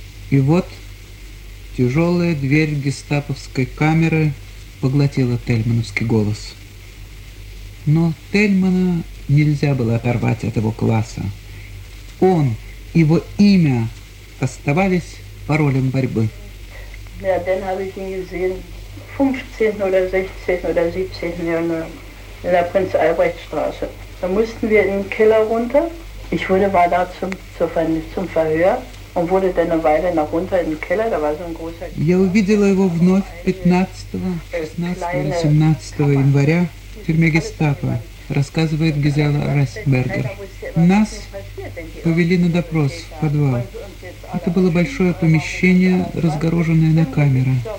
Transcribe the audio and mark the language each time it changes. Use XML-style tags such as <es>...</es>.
<ru>И вот тяжелая дверь гестаповской камеры поглотила тельмановский голос. Но Тельмана нельзя было оторвать от его класса. Он, его имя оставались паролем борьбы.</ru> <de>Ja, den habe ich ihn gesehen, 15 oder 16 oder 17 in der Prinz-Albrecht-Straße. Da mussten wir in den Keller runter. Ich wurde war da zum Verhör und wurde dann eine Weile nach runter in den Keller. Da war so ein großer...</de> <ru>Я увидела его вновь 15, 16 или 17 января в тюрьме Гестапо, рассказывает Гизела Райсбергер. Нас повели на допрос в подвал. Это было большое помещение, разгороженное на камеры.</ru>